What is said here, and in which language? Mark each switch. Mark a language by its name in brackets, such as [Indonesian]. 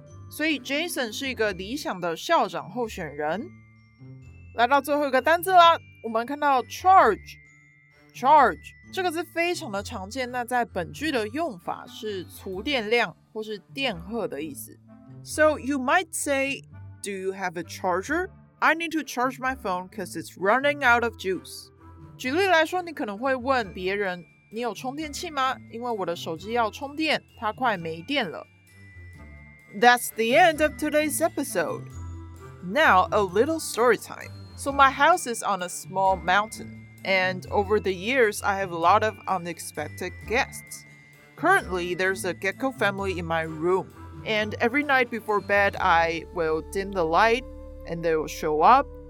[Chinese] 所以 Jason 是一个理想的校长候选人。来到最后一个单字啦，我们看到 charge。 charge 这个字非常的常见，那在本句的用法是除电量或是电荷的意思。 [English] So you might say, do you have a charger? I need to charge my phone because it's running out of juice. [Chinese] 举例来说，你可能会问别人，你有充电器吗？因为我的手机要充电，它快没电了。 [English] That's the end of today's episode. Now a little story time. So my house is on a small mountain. And over the years, I have a lot of unexpected guests. Currently, there's a gecko family in my room. And every night before bed, I will dim the light and they will show up.